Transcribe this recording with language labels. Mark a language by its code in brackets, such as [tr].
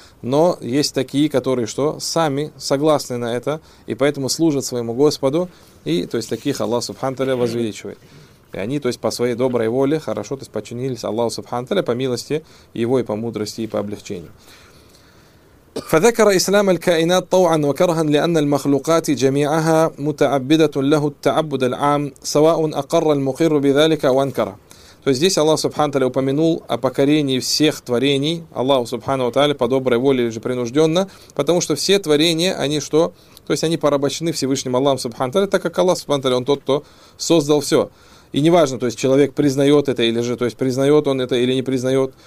[ru] Но есть такие, которые что? Сами согласны на это, и поэтому служат своему Господу. И то есть таких Аллах Субхану Тааля возвеличивает. И они, то есть, по своей доброй воле, хорошо, то есть, подчинились Аллаху Субхану Тааля по милости Его и по мудрости и по облегчению. [ar] فذكر إسلام الكائنات طوعا وكرها لأن المخلوقات جميعها متعبدة له التعبد العام سواء أقر المقر بذلك أو أنكر. [ru] То есть здесь Аллах Субхану Тааля упомянул о покорении всех творений Аллаху Субхану Тааля по доброй воле или же принужденно, потому что все творения, они что? То есть они порабощены Всевышним Аллахом Субхану Тааля, так как Аллах Субхану Тааля, он тот, кто создал все. И неважно, то есть человек признает это или же, то есть признает он это или не признает.